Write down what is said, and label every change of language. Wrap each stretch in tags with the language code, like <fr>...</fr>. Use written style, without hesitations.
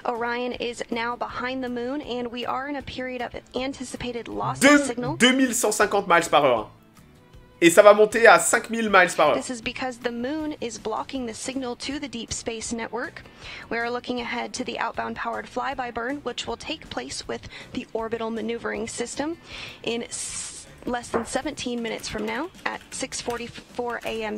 <en>Orion is now behind the moon, and we are in a period of anticipated loss of signal.</en> <fr>2150 miles par heure. Et ça va monter à 5000 miles par heure.</fr> <en>This is because the moon is blocking the signal to the deep space network. We are looking ahead to the outbound powered flyby burn, which will take place with the orbital maneuvering system in less than 17 minutes from now at 6:44 a.m.</en>